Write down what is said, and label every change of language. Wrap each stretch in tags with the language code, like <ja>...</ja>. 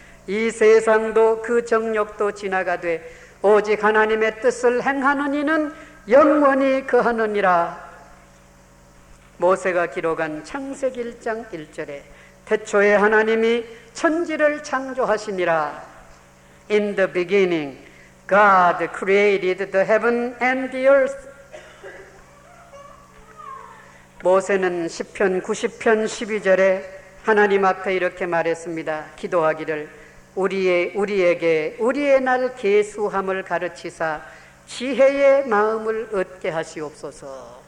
<ko>이 세상도 그 정욕도 지나가되 오직 하나님의 뜻을 행하는 이는 영원히 거하느니라. 모세가 기록한 창세기 1장 1절에 태초에 하나님이 천지를 창조하시니라.</ko> <en>In the beginning, God created the heaven and the earth.</en> <ko>모세는 시편 90편 12절에 하나님 앞에 이렇게 말했습니다. 기도하기를 우리에게 우리의 날 계수함을 가르치사 지혜의 마음을 얻게 하시옵소서.</ko>